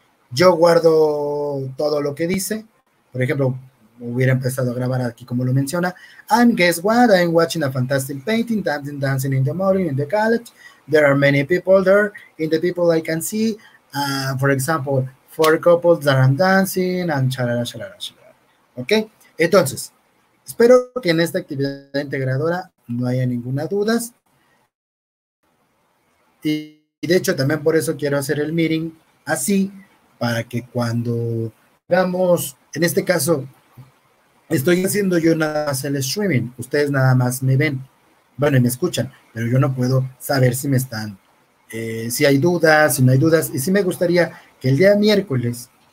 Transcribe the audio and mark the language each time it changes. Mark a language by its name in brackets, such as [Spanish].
[Spanish] Yo guardo todo lo que dice. Por ejemplo, hubiera empezado a grabar aquí como lo menciona. [English] And guess what? I'm watching a fantastic painting, dancing, dancing in the morning, in the college. There are many people there. In the people I can see, for example, four couples that are dancing and chalala, chalala, chalala. [Spanish] ¿Ok? Entonces, espero que en esta actividad integradora no haya ninguna duda. Y de hecho, también por eso quiero hacer el meeting así, para que cuando hagamos, en este caso, estoy haciendo yo nada más el streaming, ustedes nada más me ven, bueno, y me escuchan, pero yo no puedo saber si me están, si hay dudas, si no hay dudas, y si me gustaría que el día miércoles